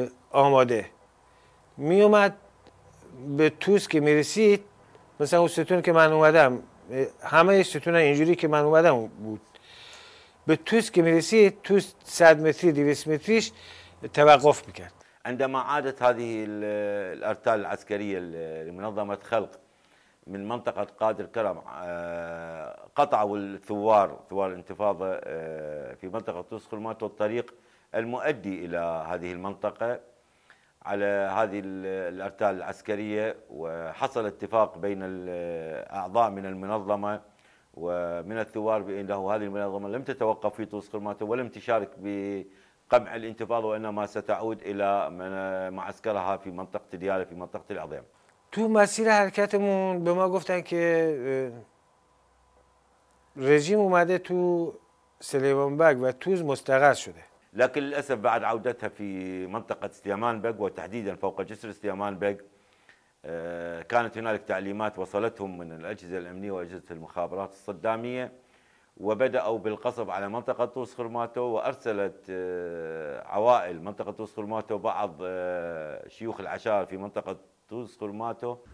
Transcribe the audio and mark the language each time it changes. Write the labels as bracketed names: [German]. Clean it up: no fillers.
[Persian] آماده می اومد به توس که میرسید مثلا اون ستون که من اومدم همه ستون اینجوری که من اومدم بود به توس که میرسید توس 100 متری 200 متریش توقف میکرد [Arabic] عندما عادت هذه الارتال العسكريه لمنظمه خلق من منطقة قادر كرم قطعوا الثوار ثوار الانتفاضة في منطقة طوس خرمات والطريق المؤدي إلى هذه المنطقة على هذه الأرتال العسكرية، وحصل اتفاق بين الأعضاء من المنظمة ومن الثوار بأنه هذه المنظمة لم تتوقف في طوس خرمات ولم تشارك بقمع الانتفاضة وإنما ستعود إلى معسكرها في منطقة ديالة في منطقة العظيم. [Persian] تو مسیر حرکتمون به ما گفتن که رژیم اومده تو سلیمان بگ و توز مستقر شده. [Arabic] لكن للأسف بعد عودتها في منطقة سليمان بگ وتحديدا فوق جسر سليمان بگ كانت هنالك تعليمات وصلتهم من الأجهزة الأمنية وأجهزة المخابرات الصدامية وبدأوا بالقصف على منطقة طوس خرماتو، وأرسلت عوائل منطقة طوس خرماتو بعض شيوخ العشائر في منطقة طوس خرماتو.